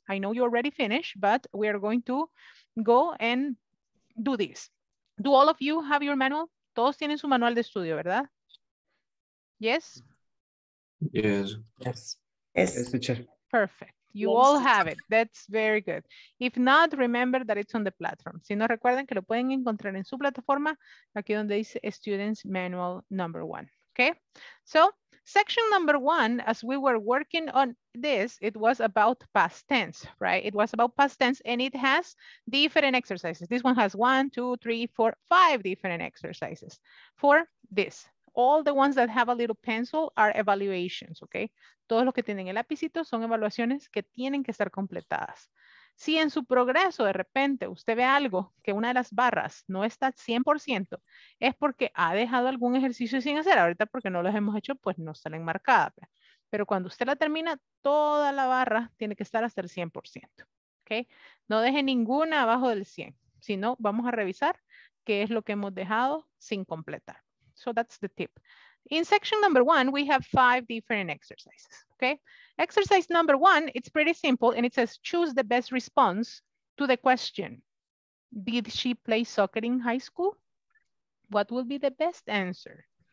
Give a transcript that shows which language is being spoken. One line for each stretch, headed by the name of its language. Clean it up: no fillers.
English: I know you already finished, but we are going to go and do this. Do all of you have your manual?
Spanish: Todos tienen su manual de estudio, ¿verdad?
English: Yes? Yes. Yes. Yes, teacher. Perfect. You all have it. That's very good. If not, remember that it's on the platform.
Spanish: Si no recuerdan que lo pueden encontrar en su plataforma, aquí donde dice Students Manual Number 1.
English: Okay, so section number 1, as we were working on this, it was about past tense, right? It was about past tense and it has different exercises. This one has 1, 2, 3, 4, 5 different exercises for this. All the ones that have a little pencil are evaluations, okay?
Spanish: Todos los que tienen el lapicito son evaluaciones que tienen que estar completadas. Si en su progreso de repente usted ve algo que una de las barras no está 100%, es porque ha dejado algún ejercicio sin hacer. Ahorita porque no los hemos hecho, pues no salen marcadas. Pero cuando usted la termina, toda la barra tiene que estar hasta el 100%. ¿Okay? No deje ninguna abajo del 100. Si no, vamos a revisar qué es lo que hemos dejado sin completar.
English: So that's the tip. In section number 1, we have 5 different exercises. Okay, exercise number 1, it's pretty simple and it says choose the best response to the question. Did she play soccer in high school? What will be the best answer?